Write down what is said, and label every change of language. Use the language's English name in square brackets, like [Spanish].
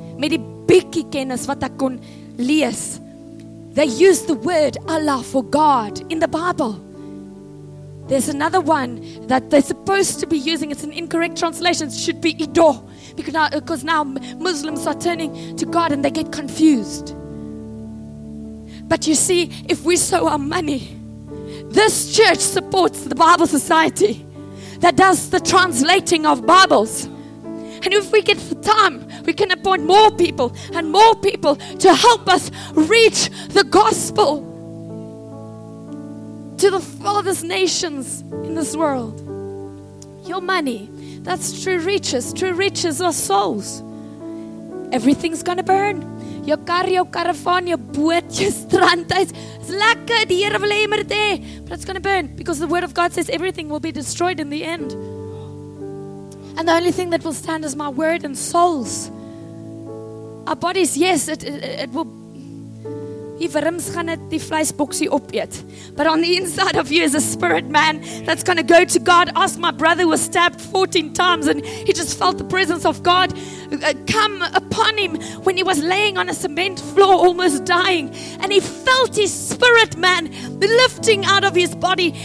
[Afrikaans] Met die bietjie kennis wat ek kon lees. [English] They use the word Allah for God in the Bible. There's another one that they're supposed to be using. It's an incorrect translation. It should be Ido. Because now Muslims are turning to God and they get confused. But you see, if we sow our money, this church supports the Bible Society that does the translating of Bibles. And if we get the time, we can appoint more people and more people to help us reach the gospel to the farthest nations in this world. Your money, that's true riches. True riches are souls. Everything's going to burn. Your car, your caravan, your boat, your strand. It's lekker, [Afrikaans] die Here wil hê jy moet hê. [English] But it's going to burn because the word of God says everything will be destroyed in the end. And the only thing that will stand is my word and souls. Our bodies, yes, it will. [Afrikaans] Die worms gaan net die vleisboksie opeet. [English] But on the inside of you is a spirit man that's going to go to God. Ask my brother who was stabbed 14 times and he just felt the presence of God come upon him when he was laying on a cement floor almost dying. And he felt his spirit man lifting out of his body.